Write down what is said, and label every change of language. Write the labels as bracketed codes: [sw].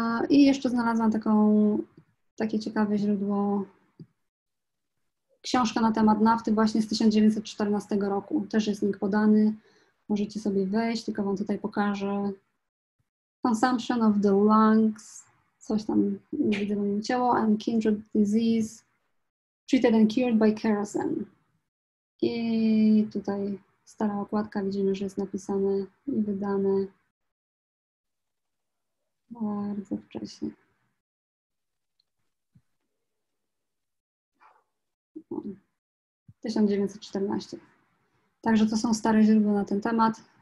[pl] I jeszcze znalazłam takie ciekawe źródło. Książka na temat nafty właśnie z 1914 roku. Też jest link podany. Możecie sobie wejść, tylko wam tutaj pokażę. [en] Consumption of the lungs. [pl] Coś tam, nie widzę, moje ciało. [en] And kindred disease. Treated and cured by kerosene. [pl] I tutaj stara okładka, widzimy, że jest napisane i wydane bardzo wcześnie. O, 1914. Także to są stare źródła na ten temat.